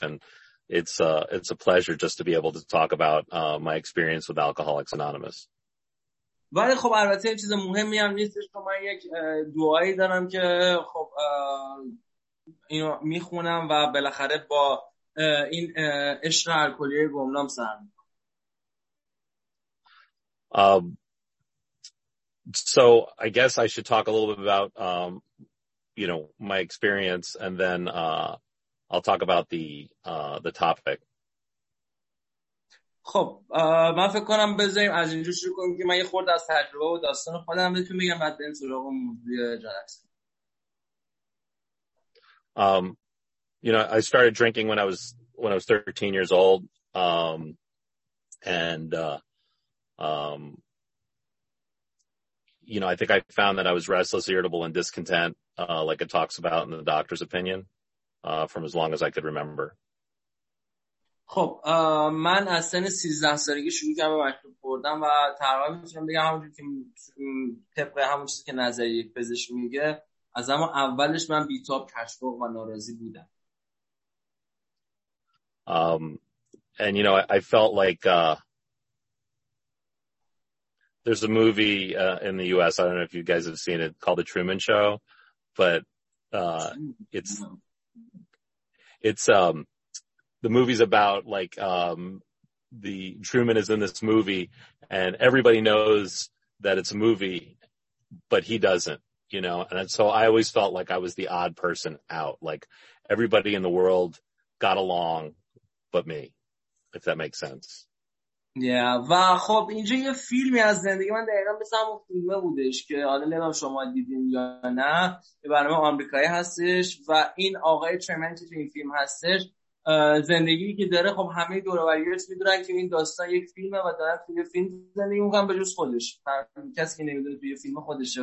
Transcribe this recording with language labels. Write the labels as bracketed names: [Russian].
[English] And it's a pleasure just to be able to talk about my experience with Alcoholics Anonymous. [Persian] ولی خب البته این چیز مهمی هم نیستش. که من یک دعایی دارم که خب اینو میخونم و بالاخره با این عشق الکلی گمنام سر میکنم. [English] So I guess I should talk a little bit about my experience, and then I'll talk about the topic. [Persian] خب من فکر کنم بذاریم از اینجا شروع کنیم که من یه خورده از تجربه و داستان خودم بهتون میگم بعد بریم سراغ موضوع جلسه. [English] I started drinking when I was 13 years old. I think I found that I was restless, irritable, and discontent, like it talks about in the doctor's opinion, from as long as I could remember. [Persian] خب من از سن 13 سالگی شروع کردم به مشروب خوردن و تقریبا میتونم بگم همونجوری که طبق همون چیزی که نظریه پزشک میگه از اما اولش من بیتاب، کشفق و ناراضی بودم. [English] I felt like there's a movie in the US, I don't know if you guys have seen it, called The Truman Show, but it's the movie's about like the Truman is in this movie and everybody knows that it's a movie, but he doesn't, you know? And so I always felt like I was the odd person out, like everybody in the world got along but me, if that makes sense. [Persian] Yeah, و خب اینجا یه فیلمی از زندگی من دقیقا به سمت فیلمه بودش که حالا نمیدونم شما دیدین یا نه، یه برنامه آمریکایی هستش و این آقای ترمن تو این فیلم هستش. زندگی که داره خب همه دوروبریش میدونن که این داستان یک فیلمه و داره توی فیلم زندگی میکنه به جز خودش، کسی که نمیدونه توی فیلم خودشه.